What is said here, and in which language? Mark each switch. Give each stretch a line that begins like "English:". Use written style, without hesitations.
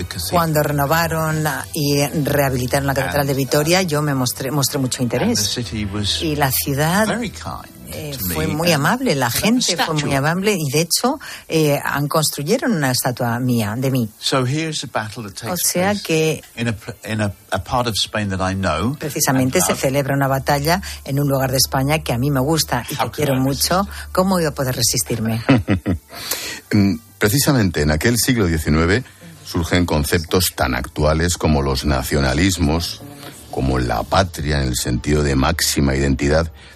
Spanish: Cuando renovaron y rehabilitaron la catedral de Vitoria, yo me mostré mucho interés. Y la ciudad fue muy amable, la gente fue muy amable y de hecho construyeron una estatua mía, de mí.
English: So here's a battle that takes place in a part of Spain that I know.
Spanish: Precisamente se celebra una batalla en un lugar de España que a mí me gusta y que quiero mucho. ¿Cómo iba a poder resistirme? Precisamente en aquel siglo XIX surgen conceptos tan actuales como los nacionalismos, como la patria en el sentido de máxima identidad.